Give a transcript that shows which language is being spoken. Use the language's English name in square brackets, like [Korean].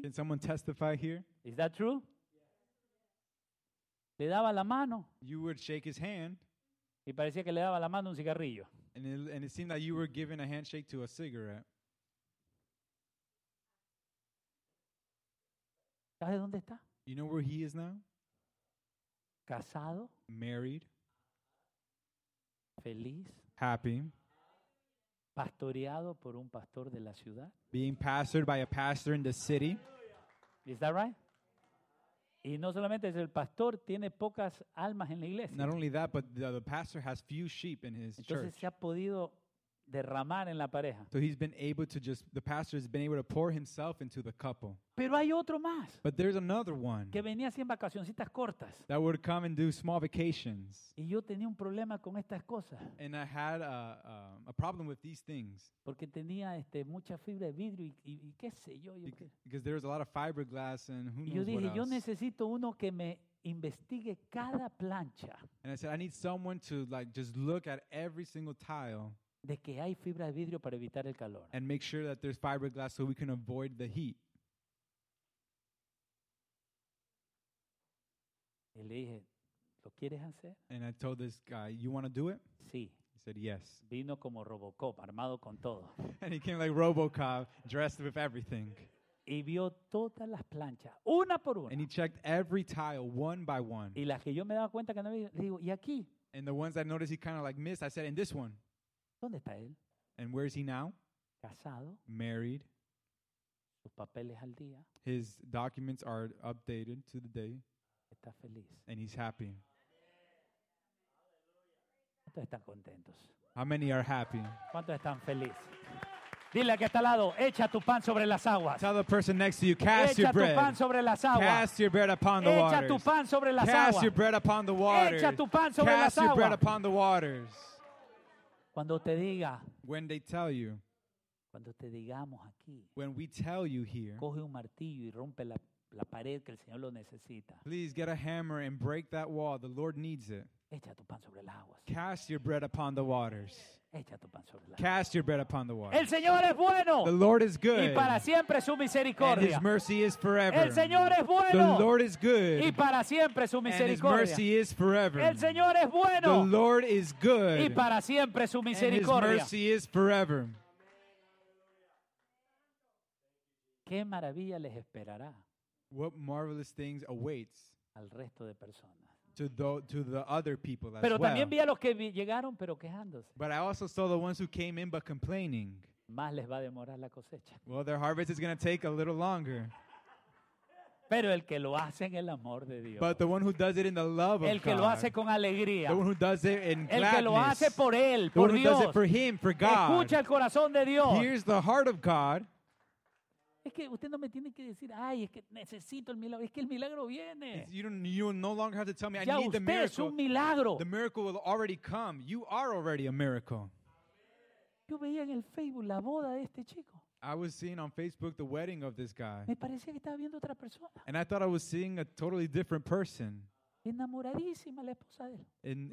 [English] Can someone testify here? Is that true? [Spanish] Le daba la mano. [English] You would shake his hand. [Spanish] Y parecía que le daba la mano un cigarrillo. [English] And it seemed that you were giving a handshake to a cigarette. [Spanish] ¿Sabe dónde está? [English] You know where he is now? [Spanish] Casado. [English] Married. [Spanish] Feliz. [English] Happy. [Spanish] Pastoreado por un pastor de la ciudad. [English] Being pastored by a pastor in the city. Is that right? [Spanish] Y no solamente es el pastor, tiene pocas almas en la iglesia. [English] Not only that, but the pastor has few sheep in his [Spanish] entonces [English] church. [Spanish] Se ha podido derramar en la pareja. [English] So he's been able to just, the pastor has been able to pour himself into the couple. [Spanish] Pero hay otro más. [English] But there's another one. [Spanish] Que venía así en vacacioncitas cortas. [English] That would come and do small vacations. [Spanish] Y yo tenía un problema con estas cosas. [English] And I had a problem with these things. [Spanish] Porque tenía mucha fibra de vidrio y qué sé yo. [English] Because there was a lot of fiberglass and who [Spanish] y [English] knows [Spanish] yo dije, [English] what else. [Spanish] Yo necesito uno que me investigue cada plancha. [English] And I said, I need someone to like just look at every single tile. [Spanish] De que hay fibra de vidrio para evitar el calor. [English] And make sure that there's fiberglass so we can avoid the heat. [Spanish] Y le dije, esto, ¿quieres hacer? [English] And I told this guy, you want to do it? [Spanish] Sí. [English] He said yes. [Spanish] Vino como Robocop, armado con todo. [English] And he came like Robocop, dressed with everything. [Spanish] Y vio todas las planchas, una por una. [English] And he checked every tile, one by one. [Spanish] Y las que yo me daba cuenta que no había, le digo, ¿y aquí? [English] And the ones I noticed he kind of like missed, I said, and this one. [Spanish] ¿Dónde está él? [English] And where is he now? [Spanish] Casado. [English] Married. [Spanish] Sus papeles al día. [English] His documents are updated to the day. [Spanish] Está feliz. [English] And he's happy. [Spanish] ¿Cuántos están contentos? [English] How many are happy? [Spanish] ¿Cuántos están felices? Dile que está al lado, echa tu pan sobre las aguas. [English] Tell the person next to you, cast [Spanish] echa [English] your bread. [Spanish] Echa tu pan sobre las aguas. [English] Cast your bread upon the waters. [Spanish] Echa tu pan sobre las [English] cast [Spanish] aguas. [English] Cast your bread upon the waters. [Spanish] Echa tu pan sobre [English] cast [Spanish] las aguas. [English] Cast your bread upon the waters. [Spanish] Cuando te diga. [English] When they tell you. [Spanish] Cuando te digamos aquí. [English] When we tell you here. [Spanish] Coge un martillo y rompe la pared que el Señor lo necesita. [English] Please get a hammer and break that wall. The Lord needs it. [Spanish] Echa tu pan sobre las aguas. [English] Cast your bread upon the waters. [Spanish] Echa tu pan sobre las aguas. [English] Cast your bread upon the waters. [Spanish] El Señor es bueno. [English] The Lord is good. [Spanish] Y para siempre su misericordia. [English] And His mercy is forever. [Spanish] El Señor es bueno. [English] The Lord is good. [Spanish] Y para siempre su misericordia. [English] And His mercy is forever. [Spanish] El Señor es bueno. [English] The Lord is good. [Spanish] Y para siempre su misericordia. [English] And His mercy is forever. [Spanish] ¿Qué maravilla les esperará? [English] What marvelous things awaits [Spanish] al resto de personas. [English] To the other people as [Spanish] pero también [English] well. [Spanish] Vi a los que llegaron pero quejándose. [English] But I also saw the ones who came in but complaining. [Spanish] Más les va a demorar la cosecha. [English] Well, their harvest is going to take a little longer. [Spanish] Pero el que lo hace en el amor de Dios. [English] But the one who does it in the love of [Spanish] el que [English] God, [Spanish] lo hace con alegría. [English] The one who does it in [Spanish] el [English] gladness. [Spanish] El que lo hace por él, [English] the [Spanish] por [English] one [Spanish] Dios. [English] Who does it for him, for God. [Spanish] Escucha el corazón de Dios. [English] Here's the heart of God. [Spanish] Es que usted no me tiene que decir, ay, es que necesito el milagro. Es que el milagro viene. [English] You no longer have to tell me, I [Spanish] ya [English] need the miracle. [Spanish] Ya usted es un milagro. [English] The miracle will already come. You are already a miracle. [Spanish] Yo veía en el Facebook la boda de este chico. [English] I was seeing on Facebook the wedding of this guy. [Spanish] Me parecía que estaba viendo otra persona. [English] And I thought I was seeing a totally different person. [Spanish] Enamoradísima la esposa de él.